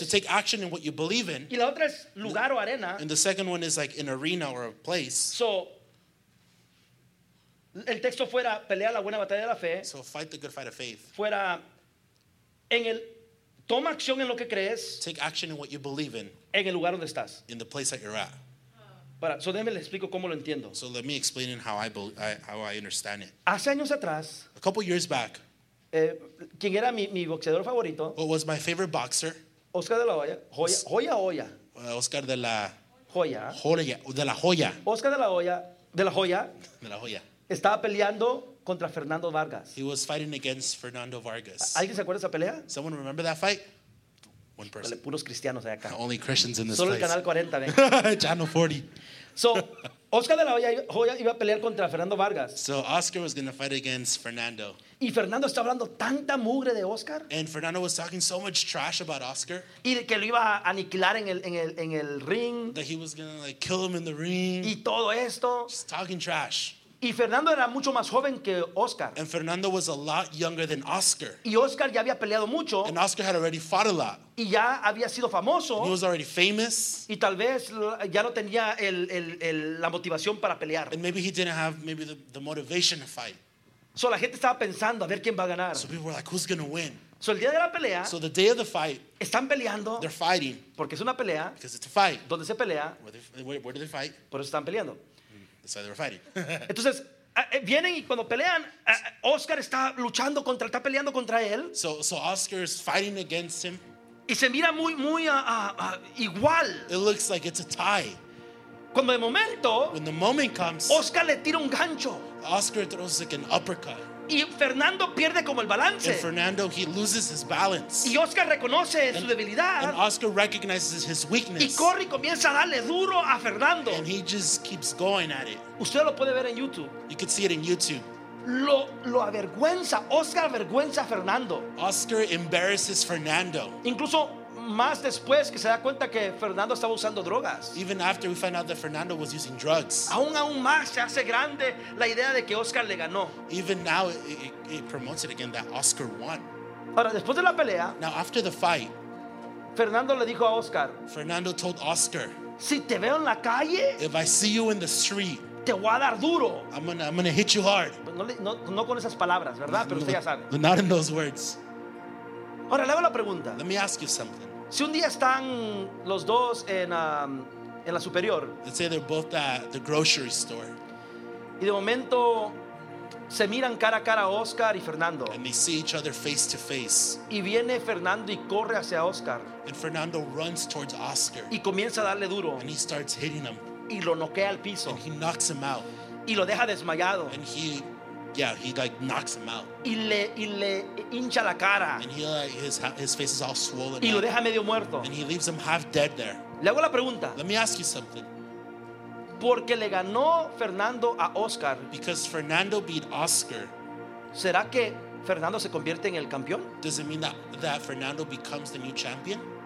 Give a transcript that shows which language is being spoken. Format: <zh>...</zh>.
<en>To take action in what you believe in.</en> <es>Y la otra es lugar o arena.</es> <en>And the second one is like an arena or a place.</en> <es>So, el texto fuera pelea la buena batalla de la fe.</es> <en>So fight the good fight of faith.</en> <es>Fuera en el toma acción en lo que crees.</es> <en>Take action in what you believe in.</en> <es>En el lugar donde estás.</es> <en>In the place that you're at.</en> <es>Para, so déjeme le explico cómo lo entiendo.</es> <en>So let me explain in how I understand it.</en> <es>Hace años atrás.</es> <en>A couple years back.</en> <es>¿Quién era mi boxeador favorito?</es> <en>Who was my favorite boxer?</en> <es>Oscar de la Hoya. Joya. Oscar de la Joya. Joya. De la Joya. Oscar de la Hoya. De la Joya. De la Joya. Estaba peleando contra Fernando Vargas.</es> <en>He was fighting against Fernando Vargas.</en> <es>¿Alguien se acuerda esa pelea?</es> <en>Someone remember that fight? One person.</en> <es>Vale, puros cristianos acá.</es> <en>Only Christians in this</en> <es>solo</es> <en>place.</en> <es>Solo el canal 40, ven.</es> <en>Channel 40.</en> <es>So, Oscar de la Hoya iba a pelear contra Fernando Vargas.</es> <en>So Oscar was going to fight against Fernando.</en> <es>Y Fernando estaba hablando tanta mugre de Oscar.</es> <en>And Fernando was talking so much trash about Oscar.</en> <es>Y que lo iba a aniquilar en el ring.</es> <en>That he was going to like kill him in the ring.</en> <es>Y todo esto.</es> <en>Just talking trash.</en> <es>Y Fernando era mucho más joven que Oscar.</es> <en>And Fernando was a lot younger than Oscar.</en> <es>Y Oscar ya había peleado mucho.</es> <en>And Oscar had already fought a lot.</en> <es>Y ya había sido famoso.</es> <en>And he was already famous.</en> <es>Y tal vez ya no tenía la motivación para pelear.</es> <en>And maybe he didn't have maybe the motivation to fight.</en> <es>So la gente estaba pensando a ver quién va a ganar.</es> <en>So people were like, who's going to win?</en> <es>So el día de la pelea.</es> <en>So the day of the fight.</en> <es>Están peleando.</es> <en>They're fighting.</en> <es>Porque es una pelea.</es> <en>Because it's a fight.</en> <es>¿Dónde se pelea?</es> <en>Where do they fight?</en> <es>Por eso están peleando.</es> <en>So they were fighting.</en> <es>Entonces, vienen y cuando pelean, Oscar está luchando contra, está peleando contra él.</es> <en>So Oscar is fighting against him.</en> <es>Y se mira muy igual.</es> <en>It looks like it's a tie.</en> <es>Cuando de momento,</es> <en>when the moment comes,</en> <es>Oscar le tira un gancho.</es> <en>Oscar throws like an uppercut.</en> <es>Y Fernando pierde como el balance.</es> <en>And Fernando, he loses his balance.</en> <es>Y Oscar reconoce su debilidad.</es> <en>And Oscar recognizes his weakness.</en> <es>Y corre y comienza a darle duro a Fernando.</es> <en>And he just keeps going at it.</en> <es>Usted lo puede ver en YouTube.</es> <en>You could see it in YouTube.</en> <es>Lo avergüenza. Oscar avergüenza a Fernando.</es> <en>Oscar embarrasses Fernando.</en> <es>Incluso más después que se da cuenta que Fernando estaba usando drogas.</es> <en>Even after we find out that Fernando was using drugs.</en> <es>Aún más se hace grande la idea de que Oscar le ganó.</es> <en>Even now it promotes it again that Oscar won.</en> <es>Ahora después de la pelea.</es> <en>Now after the fight.</en> <es>Fernando le dijo a Oscar.</es> <en>Fernando told Oscar.</en> <es>Si te veo en la calle.</es> <en>If I see you in the street.</en> <es>Te voy a dar duro.</es> <en>I'm gonna hit you hard.</en> <es>No con esas palabras, ¿verdad? Pero usted ya sabe.</es> <en>Not in those words.</en> <es>Ahora le hago la pregunta.</es> <en>Let me ask you something.</en> <es>Si un día están los dos en la superior.</es> <en>Let's say they're both at the grocery store.</en> <es>Y de momento se miran cara a cara Oscar y Fernando.</es> <en>And they see each other face to face.</en> <es>Y viene Fernando y corre hacia Oscar.</es> <en>And Fernando runs towards Oscar.</en> <es>Y comienza a darle duro.</es> <en>And he starts hitting him.</en> <es>Y lo noquea al piso.</es> <en>And he knocks him out.</en> <es>Y lo deja desmayado.</es> <en>And he like knocks him out.</en> <es>Y le hincha la cara.</es> <en>And he like his face is all swollen.</en> <es>Y lo deja medio muerto.</es> <en>And he leaves him half dead there.</en> <es>Le hago la pregunta.</es> <en>Let me ask you something.</en> <es>Porque le ganó Fernando a Oscar.</es> <en>Because Fernando beat Oscar.</en> <es>¿Será que Fernando se convierte en el campeón?</es> <en>Does it mean that Fernando becomes the new champion?</en>